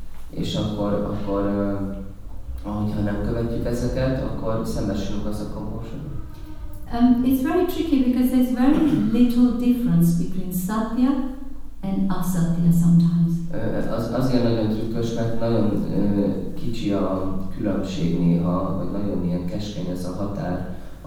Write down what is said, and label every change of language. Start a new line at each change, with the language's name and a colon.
Hungarian: És akkor, hogyha nem követjük ezeket, akkor szembesülünk az a compulsion.
English: It's very tricky because there's very little difference between satya and asatya sometimes.
Hungarian: Azért nagyon trükkös, mert nagyon kicsi a különbség néha, vagy nagyon ilyen keskeny ez a határ.